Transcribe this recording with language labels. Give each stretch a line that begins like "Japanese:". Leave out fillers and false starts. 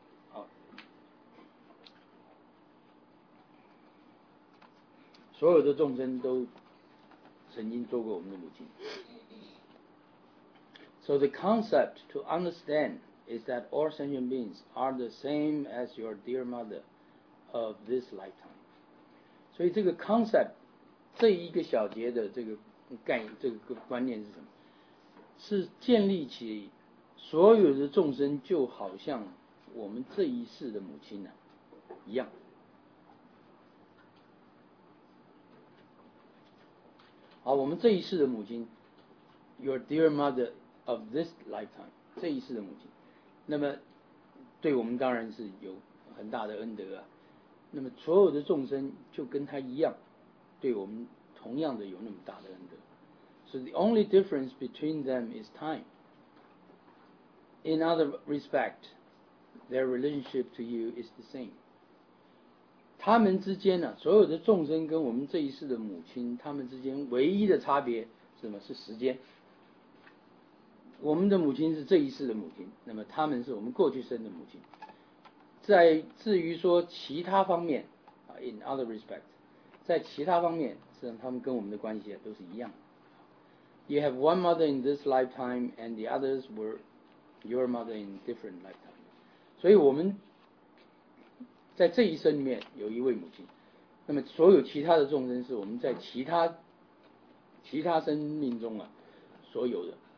Chinese: 好，所有的众生都曾经做过我们的母亲。
English: So the concept to understand is that all sentient beings are the same as your dear mother of this lifetime.
Chinese: 所以这个 concept 这一个小节的这个概念，这个观念是什么？是建立起所有的众生就好像我们这一世的母亲呢、啊、一样。好，我们这一世的母亲 ，
English: your dear mother。 Of this lifetime,
Chinese: 这一世的母亲，那么对我们当然是有很大的恩德啊。那么所有的众生就跟他一样，对我们同样的有那么大的恩德。
English: So the only difference between them is time. In other respect, their relationship to you is the same.
Chinese: 他们之间呢、啊，所有的众生跟我们这一世的母亲，他们之间唯一的差别是什么？是时间。我们的母亲是这一世的母亲，那么他们是我们过去生的母亲。在至于说其他方面 ，
English: in other respects，
Chinese: 在其他方面，实际上他们跟我们的关系都是一样的。
English: You have one mother in this lifetime, and the others were your mother in different lifetime.
Chinese: 所以我们在这一生里面有一位母亲，那么所有其他的众生是我们在其他生命中啊所有的。